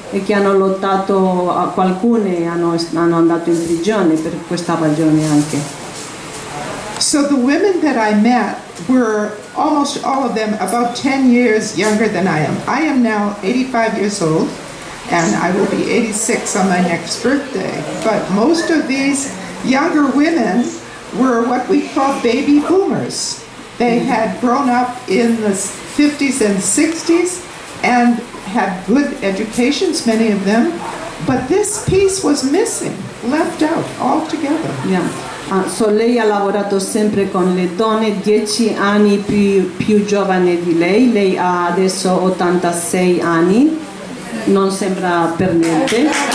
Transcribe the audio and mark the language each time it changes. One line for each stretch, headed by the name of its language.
Italian: E che hanno lottato a qualcuno e hanno andato in prigione per questa ragione anche.
English: So the women that I met were almost all of them about 10 years younger than I am. I am now 85 years old and I will be 86 on my next birthday. But most of these younger women were what we call baby boomers. They had grown up in the 50s and 60s and had good educations, many of them, but this piece was missing, left out altogether. Yeah.
Italian: So lei ha lavorato sempre con le donne 10 anni più giovane di lei. Lei ha adesso 86 anni. Non sembra per niente.